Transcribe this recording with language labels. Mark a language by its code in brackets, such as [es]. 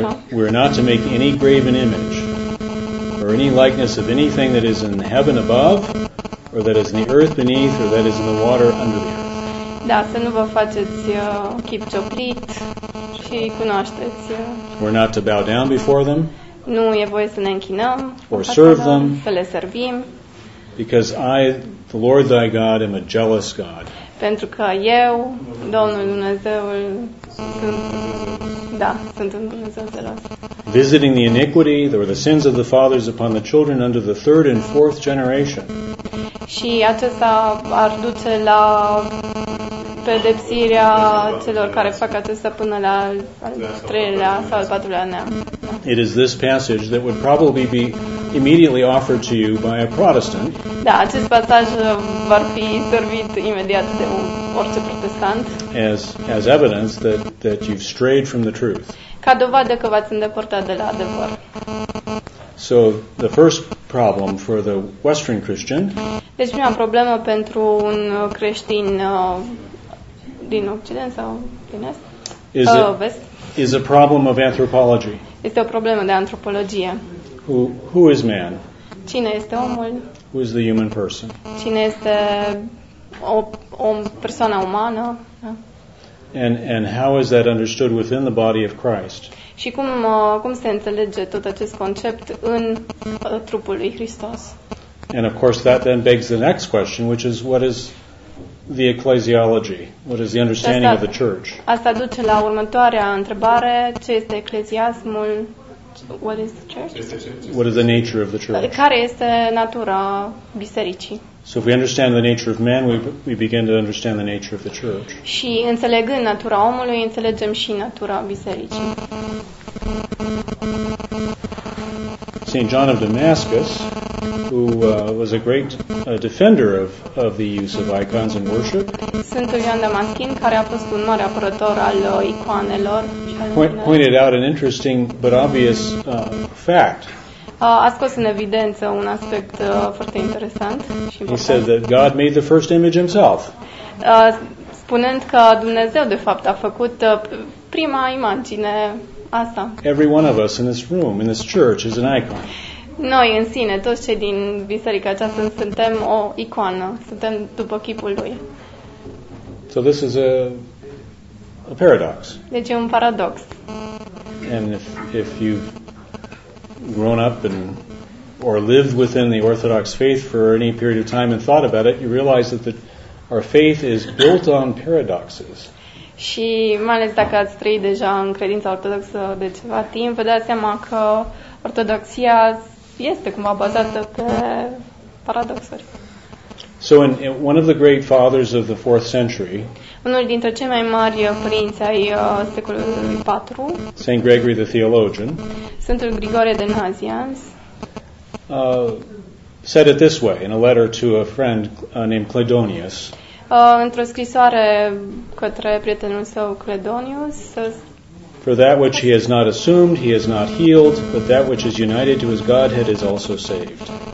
[en] We're not to make any graven image or any likeness of anything that is in heaven above or that is in the earth beneath or that is in the water under the earth. [ro] Da, să nu vă faceți chip cioplit și cunoașteți. [en] We're not to bow down before them. [ro] Nu e voie să ne închinăm. [en] Or serve them. [ro] Să le servim. [en] Because I, the Lord thy God, am a jealous God. [ro] pentru că eu, Domnul Dumnezeu, sunt, da, sunt un Dumnezeu zelos. [en] Visiting the iniquity or the sins of the fathers upon the children unto the third and fourth generation. [ro] Și acesta ar duce la pedepsirea celor care fac acesta până la al treilea sau al patrulea neam. [en] It is this passage that would probably be immediately offered to you by a Protestant. [ro] Da, acest pasaj va fi servit imediat de un orice protestant. [en] As evidence that you've strayed from the truth. [ro] Ca dovadă că v-ați îndepărtat de la adevăr. [en] So the first problem for the Western Christian. [ro] Deci prima problemă pentru un creștin din Occident sau din Est? [en] Is a problem of anthropology. [ro] Este o problemă de antropologie. [en] Who is man? [ro] Cine este omul? [en] Who is the human person? [ro] Cine este o persoană umană? [en] And how is that understood within the body of Christ? [ro] Și cum se înțelege tot acest concept în trupul lui Hristos? [en] And of course that then begs the next question, which is what is the ecclesiology? What is the understanding of the church? [ro] Asta duce la următoarea întrebare, ce este ecleziasmul? [en] What is the church? What is the nature of the church? [ro] Care este natura bisericii? [en] So if we understand the nature of man, we begin to understand the nature of the church. [ro] Și înțelegând natura omului, înțelegem și natura bisericii. [en] St. John of Damascus, who was a great defender of the use of icons in worship. [ro] Sfântul Ioan Damaschin, care a fost un mare apărător al icoanelor. [en] Pointed out an interesting but obvious fact. [ro] A scos în evidență un aspect foarte interesant și important. [en] He said that God made the first image himself. [ro] Spunând că Dumnezeu de fapt a făcut prima imagine asta. [en] Every one of us in this room, in this church is an icon. [ro] Noi în sine, toți cei din biserica aceasta, suntem o icoană, suntem după chipul lui. [en] So this is a paradox. [ro] Deci e un paradox. [en] And if you've grown up and or lived within the Orthodox faith for any period of time and thought about it, you realize that our faith is built on paradoxes. [ro] Și mai ales dacă ați trăit deja în credința ortodoxă de ceva timp, vă dați seama că ortodoxia este cumva bazată pe paradoxuri. [en] So in one of the great fathers of the 4th century, [ro] unul dintre cei mai mari părinți ai secolului 4, [en] St. Gregory the Theologian, [ro] Sfântul Grigore de Nazianz, [en] said it this way in a letter to a friend named Cledonius. [ro] Într-o scrisoare către prietenul său Cledonius, [en] for that which he has not assumed, he has not healed, but that which is united to his Godhead is also saved.